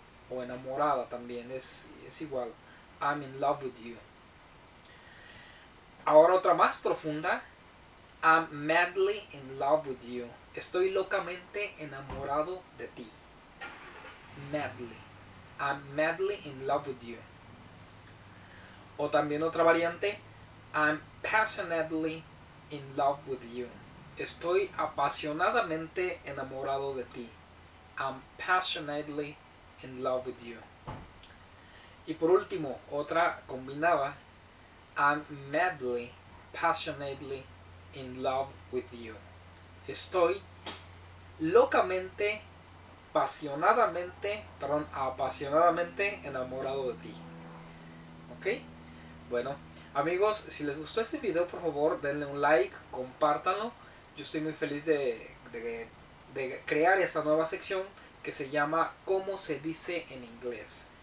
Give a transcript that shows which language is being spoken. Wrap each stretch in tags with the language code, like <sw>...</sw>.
<es>O enamorada también, es igual.</es> <en>I'm in love with you.</en> <es>Ahora otra más profunda.</es> <en>I'm madly in love with you.</en> <es>Estoy locamente enamorado de ti.</es> <en>Madly. I'm madly in love with you.</en> <es>O también otra variante.</es> <en>I'm passionately in love with you.</en> <es>Estoy apasionadamente enamorado de ti.</es> <en>I'm passionately in love with you.</en> <es>Y por último, otra combinada.</es> <en>I'm madly, passionately in love with you.</en> <es>Estoy locamente, pasionadamente, perdón, apasionadamente enamorado de ti. ¿Ok? Bueno, amigos, si les gustó este video, por favor, denle un like, compártanlo. Yo estoy muy feliz de crear esta nueva sección que se llama ¿Cómo se dice en inglés?</es>